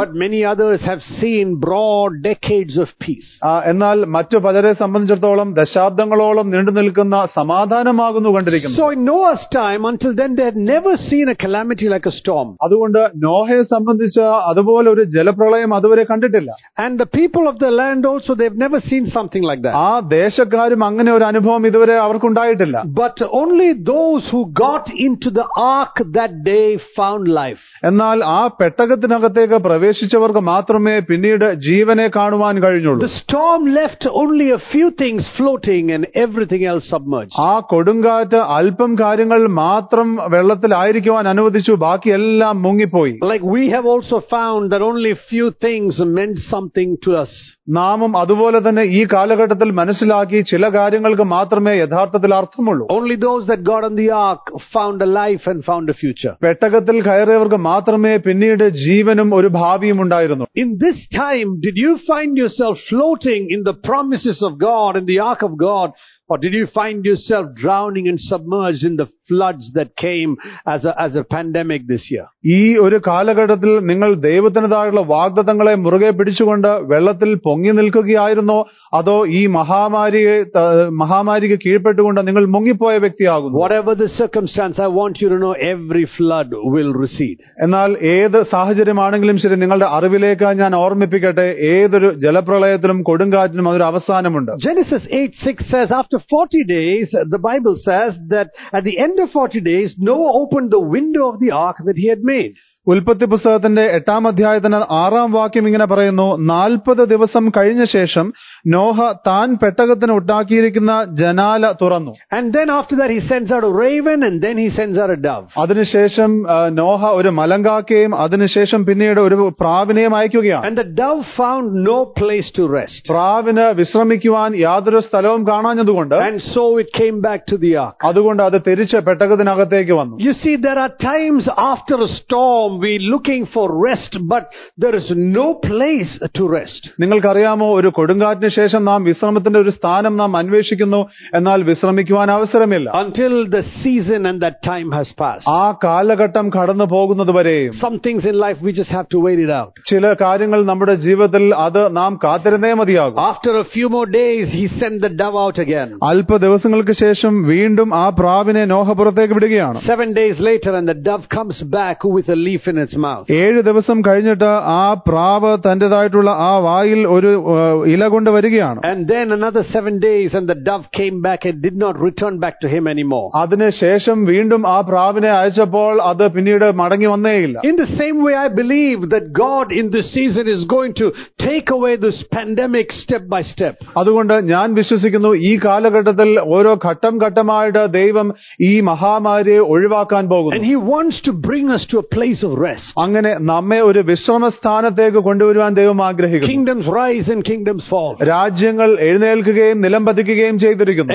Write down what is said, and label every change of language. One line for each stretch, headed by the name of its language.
English: But many others have seen broad decades of peace.
Malayalam: എന്നാൽ മറ്റു പലരെ സംബന്ധിച്ചിടത്തോളം ദശാബ്ദങ്ങളോളം നീണ്ടു നിൽക്കുന്ന സമാധാനമാകുന്നു കണ്ടിരിക്കുന്നു.
English: So in Noah's time, until then they had never seen a calamity like a storm.
Malayalam: അതുകൊണ്ട് നോഹയെ സംബന്ധിച്ച് അതുപോലെ ഒരു ജലപ്രളയം അതുവരെ കണ്ടിട്ടില്ല.
English: And the people of the land also, they've never seen something like that.
Malayalam: ആ ദേശക്കാരും അങ്ങനെ ഒരു അനുഭവം ഇതുവരെ അവർക്കുണ്ടായിട്ടില്ല.
English: But only those who got into the ark that day found life.
Malayalam: എന്നാൽ ആ പെട്ടകത്തിനകത്തേക്ക് പ്രവേശിച്ചവർക്ക് മാത്രമേ പിന്നീട് ജീവനെ കാണുവാൻ കഴിഞ്ഞുള്ളൂ.
English: The storm left only a few things floating and everything else submerged.
Malayalam: ആ കൊടുങ്കാറ്റ് അല്പം കാര്യങ്ങൾ മാത്രം വെള്ളത്തിലായിരിക്കുവാൻ അനുവദിച്ചു, ബാക്കിയെല്ലാം മുങ്ങിപ്പോയി.
English: Like we have also found that only few things meant something to us.
Malayalam: നാമും അതുപോലെ തന്നെ ഈ കാലഘട്ടത്തിൽ മനസ്സിലാക്കി, ചില കാര്യങ്ങൾക്ക് മാത്രമേ യഥാർത്ഥത്തിൽ അർത്ഥമുള്ളൂ.
English: Only those that got on the ark found a life and found a future.
Malayalam: പെട്ടകത്തിൽ കയറിയവർക്ക് മാത്രമേ പിന്നീട് ജീവനും ഒരു ഭാവിയും ഉണ്ടായിരുന്നു.
English: In this time, did you find yourself floating in the promises of God, in the ark of God? Or did you find yourself drowning and submerged in the floods that came as a pandemic this year?
Malayalam: ഈ ഒരു കാലഘട്ടത്തിൽ നിങ്ങൾ ദൈവത്തിനതായുള്ള വാഗ്ദത്തങ്ങളെ മുറുകെ പിടിച്ചുകൊണ്ട് വെള്ളത്തിൽ പൊങ്ങി നിൽക്കുകയായിരുന്നോ, അതോ ഈ മഹാമാരിക്ക് കീഴ്പ്പെട്ടുകൊണ്ട് നിങ്ങൾ മുങ്ങിപ്പോയ വ്യക്തിയാകുന്നു?
English: Whatever the circumstance, I want you to know every flood will recede.
Malayalam: എന്നാൽ ഏത് സാഹചര്യമാണെങ്കിലും ശരി, നിങ്ങളുടെ അറിവിലേക്ക് ഞാൻ ഓർമ്മിപ്പിക്കട്ടെ, ഏതൊരു ജലപ്രളയത്തിനും കൊടുങ്കാറ്റിനും അതൊരു അവസാനമുണ്ട്.
English: Genesis 8:6 says, after 40 days, the Bible says that at the end of 40 days, Noah opened the window of the ark that he had made.
Malayalam: ഉൽപ്പത്തി പുസ്തകത്തിന്റെ 8:6 ഇങ്ങനെ പറയുന്നു, 40 ദിവസം കഴിഞ്ഞ ശേഷം നോഹ താൻ പെട്ടകത്തിന് ഉണ്ടാക്കിയിരിക്കുന്ന ജനാല തുറന്നു.
English: And then after that he sends out a raven and then he sends out a dove.
Malayalam: അതിനുശേഷം നോഹ ഒരു മലങ്കാക്കയും അതിനുശേഷം പിന്നീട് ഒരു പ്രാവിനെയും അയക്കുകയാണ്.
English: And the dove found no place to rest.
Malayalam: പ്രാവിന് വിശ്രമിക്കുവാൻ യാതൊരു സ്ഥലവും കാണാഞ്ഞതുകൊണ്ട്,
English: And so it came back to the ark.
Malayalam: അതുകൊണ്ട് അത് തിരിച്ച് പെട്ടകത്തിനകത്തേക്ക് വന്നു.
English: You see, there are times after a storm we looking for rest, but there is no place to rest.
Malayalam: നിങ്ങൾക്കറിയാമോ, ഒരു കൊടുങ്കാറ്റിന് ശേഷം നാം വിശ്രമത്തിന്റെ ഒരു സ്ഥാനം നാം അന്വേഷിക്കുന്നു, എന്നാൽ വിശ്രമിക്കുവാൻ അവസരമില്ല.
English: Until the season and that time has passed.
Malayalam: ആ കാലഘട്ടം കടന്നു പോകുന്നതുവരെയും.
English: Some things in life we just have to wait it out.
Malayalam: ചില കാര്യങ്ങൾ നമ്മുടെ ജീവിതത്തിൽ അത് നാം കാത്തിരുന്നേ മതിയാകും.
English: After a few more days he sent the dove out again.
Malayalam: അല്പ ദിവസങ്ങൾക്ക് ശേഷം വീണ്ടും ആ പ്രാവിനെ നോഹ പുറത്തേക്ക് വിടുകയാണ്.
English: 7 days later and the dove comes back with a leaf in its mouth.
Malayalam: ഏഴ് ദിവസം കഴിഞ്ഞിട്ട് ആ പ്രാവ് തന്റേതായിട്ടുള്ള ആ വായിൽ ഒരു ഇല കൊണ്ട് വരികയാണ്.
English: And then another 7 days and the dove came back and did not return back to him anymore.
Malayalam: അതിനു ശേഷം വീണ്ടും ആ പ്രാവിനെ അയച്ചപ്പോൾ അത് പിന്നീട് മടങ്ങി വന്നേയില്ല.
English: In the same way I believe that God in this season is going to take away this pandemic step by step.
Malayalam: അതുകൊണ്ട് ഞാൻ വിശ്വസിക്കുന്നു ഈ കാലഘട്ടത്തിൽ ഓരോ ഘട്ടം ഘട്ടമായിട്ട് ദൈവം ഈ മഹാമാരിയെ ഒഴിവാക്കാൻ പോകുന്നു.
English: And he wants to bring us to a place of rest.
Malayalam: അങ്ങനെ നമ്മെ ഒരു വിശ്രമസ്ഥാനത്തേക്ക് കൊണ്ടുവരുവാൻ ദൈവം ആഗ്രഹിക്കുന്നു.
English: Kingdoms rise and kingdoms fall.
Malayalam: രാജ്യങ്ങൾ എഴുന്നേൽക്കുകയും നിലംപതിക്കുകയും ചെയ്തിരിക്കുന്നു.